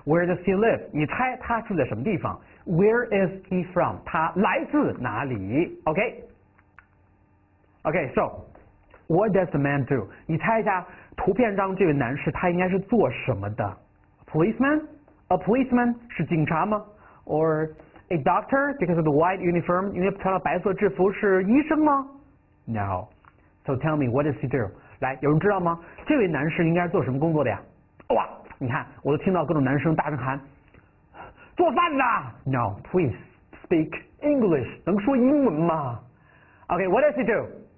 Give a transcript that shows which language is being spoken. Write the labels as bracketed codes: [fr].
[en] Where does he live? [zh] 你猜他住在什么地方？ [en] Where is he from? [zh] 他来自哪里？ [en] OKOK, so, what does the man do? [zh] 你猜一下图片上这位男士他应该是做什么的？ [en] Policeman? A policeman [zh] 是警察吗？ [en] Or a doctor because of the white uniform? [zh] 因为穿了白色制服是医生吗？ [en] No. So tell me, what does he do? [zh] 来，有人知道吗？这位男士应该做什么工作的呀？哇，你看，我都听到各种男生大声喊，做饭的。 [en] No, please speak English. [zh] 能说英文吗？ [en] OK, what does he do?